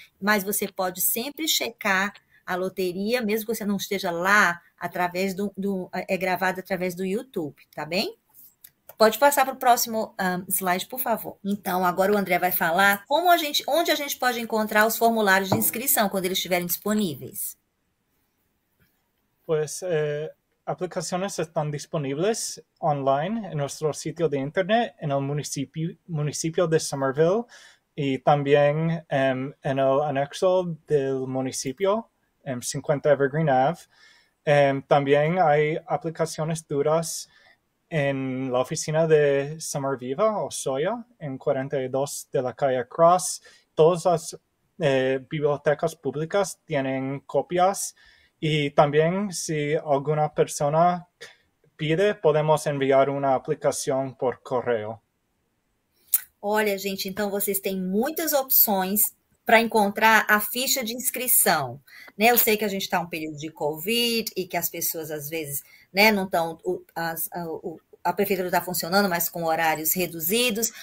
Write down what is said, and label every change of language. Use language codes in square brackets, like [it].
[pt] Mas você pode sempre checar a loteria, mesmo que você não esteja lá, através é gravado através do YouTube, tá bem? Pode passar para o próximo slide, por favor. Então, agora o André vai falar onde a gente pode encontrar os formulários de inscrição quando eles estiverem disponíveis. [es] Pues aplicaciones están disponibles online en nuestro sitio de internet en el municipio de Somerville y también en el anexo del municipio, en 50 Evergreen Ave. También hay aplicaciones duras en la oficina de Somerville o Soya, en 42 de la calle Cross. Todas las bibliotecas públicas tienen copias. Y también si alguna persona pide, podemos enviar una aplicación por correo. [pt] Olha, gente, então vocês têm muitas opções para encontrar a ficha de inscrição, né? Eu sei que a gente está em um período de Covid e que as pessoas às vezes, né, não estão, a prefeitura está funcionando, mas com horários reduzidos.